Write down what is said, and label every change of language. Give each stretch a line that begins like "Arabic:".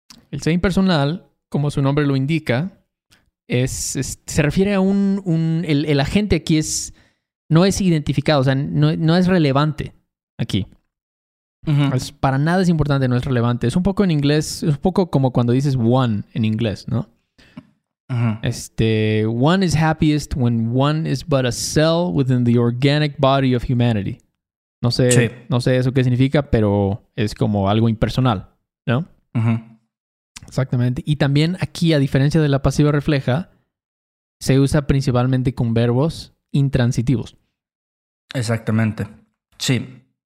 Spanish: El se impersonal, como su nombre lo indica, se refiere a el agente aquí no es identificado, o sea, no es relevante aquí. Uh-huh. Para nada es importante, no es relevante. Es un poco en inglés, es un poco como cuando dices one en inglés, ¿no? Uh-huh.
English: One is happiest when one is but a cell within the organic body of humanity.
Spanish: No sé eso qué significa, pero es como algo impersonal, ¿no? Uh-huh. Exactamente. Y también aquí, a diferencia de la pasiva refleja, se usa principalmente con verbos intransitivos. Exactamente. Sí.